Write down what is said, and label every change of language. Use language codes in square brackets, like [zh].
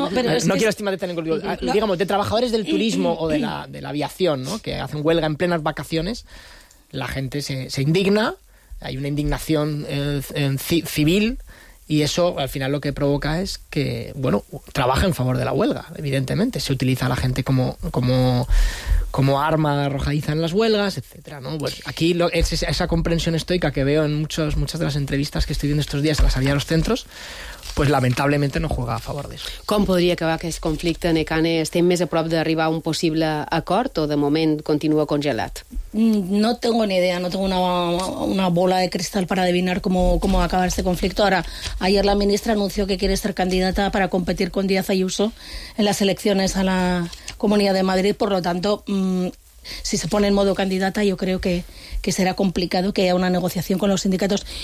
[es] De trabajadores del turismo o de la aviación, ¿no?, que hacen huelga en plenas vacaciones, la gente se indigna, hay una indignación civil y eso al final lo que provoca es que, bueno, trabaja en favor de la huelga, evidentemente. Se utiliza a la gente como arma arrojadiza en las huelgas, etcétera, ¿no? Pues aquí esa comprensión estoica que veo en muchas de las entrevistas que estoy viendo estos días a la salida de los centros, pues lamentablemente no juega a favor de eso. [ca] ¿Com podria acabar aquest conflicte, Nekane? ¿Estem més a prop d'arribar a un possible acord o de moment continua congelat? [es] No tengo ni idea, no tengo una bola de cristal para adivinar cómo va a acabar este conflicto. Ahora, ayer la ministra anunció que quiere ser candidata para competir con Díaz Ayuso en las elecciones a la Comunidad de Madrid, por lo tanto, si se pone en modo candidata, yo creo que será complicado que haya una negociación con los sindicatos.